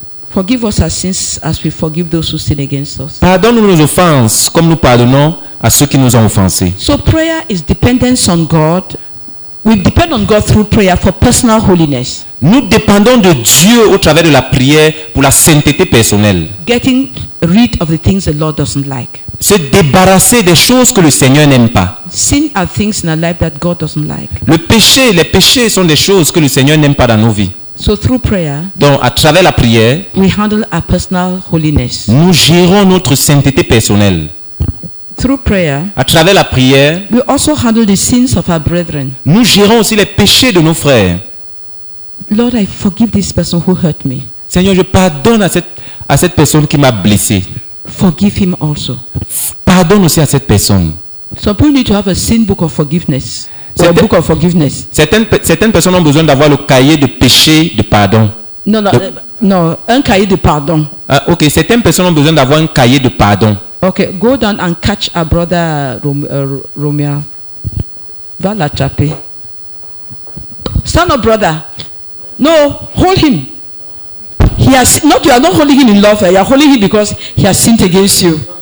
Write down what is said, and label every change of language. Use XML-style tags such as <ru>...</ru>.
<en>Forgive us our sins as we forgive those who sin against us.</en> <fr>Pardonne-nous nos offenses comme nous pardonnons à ceux qui nous ont offensés.</fr> <en>So prayer is dependence on God. We depend on God through prayer for personal holiness.</en> <fr>Nous dépendons de Dieu au travers de la prière pour la sainteté personnelle.</fr> <en>Getting rid of the things the Lord doesn't like.</en> <fr>Se débarrasser des choses que le Seigneur n'aime pas.</fr> <en>Sin are things in our life that God doesn't like.</en> <fr>Les péchés sont des choses que le Seigneur n'aime pas dans nos vies.</fr> <en>So through prayer,</en> <fr>donc à travers la prière,</fr> <en>we handle our personal holiness.</en> <fr>Nous gérons notre sainteté personnelle.</fr> <en>Through prayer,</en> <fr>à travers la prière,</fr> <en>we also handle the sins of our brethren.</en> <fr>Nous gérons aussi les péchés de nos frères.</fr> <en>Lord, I forgive this person who hurt me.</en> <fr>Seigneur, je pardonne à cette personne qui m'a blessé.</fr> <en>Forgive him also.</en> <fr>Pardonne aussi à cette personne.</fr> <en>So we need to have a sin book of forgiveness.</en> <fr>Certaines personnes ont besoin d'avoir le cahier de péché de pardon. Non, un cahier de pardon. Ah, ok, certaines personnes ont besoin d'avoir un cahier de pardon.</fr> <en>Ok, go down and catch our brother Romeo.</en> <fr>Va l'attraper.</fr> <en>Stand up, brother. No, hold him. He has not. You are not holding him in love. You are holding him because he has sinned against you.</en>